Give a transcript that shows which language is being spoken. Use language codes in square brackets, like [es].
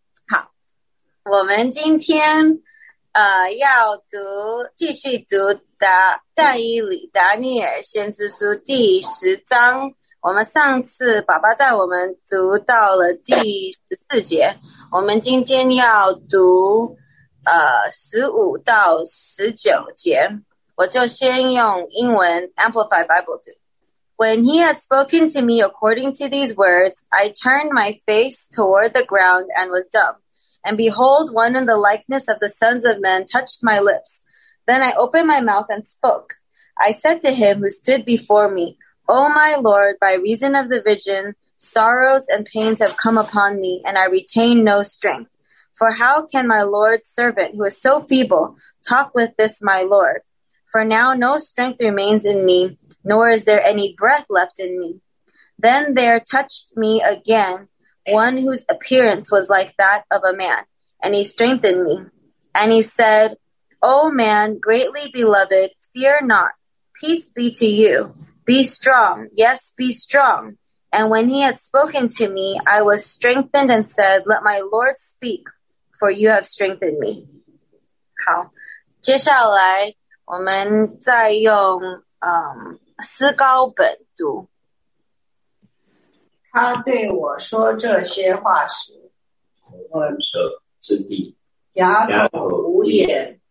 [zh] 好，我们今天要读，继续读但以理达尼尔先知书第十章。我们上次爸爸带我们读到了第十四节，我们今天要读15到19节。我就先用英文 Amplified Bible 读。 [en] When he had spoken to me according to these words, I turned my face toward the ground and was dumb. And behold, one in the likeness of the sons of men touched my lips. Then I opened my mouth and spoke. I said to him who stood before me, O my Lord, by reason of the vision, sorrows and pains have come upon me, and I retain no strength. For how can my Lord's servant, who is so feeble, talk with this my Lord? For now no strength remains in me, nor is there any breath left in me. Then there touched me again one whose appearance was like that of a man, and he strengthened me. And he said, O man, greatly beloved, fear not. Peace be to you. Be strong. Yes, be strong. And when he had spoken to me, I was strengthened and said, Let my Lord speak, for you have strengthened me. [zh] 好，接下来我们再用诗高本读。他对我说这些话时，我闻者之地哑口无言。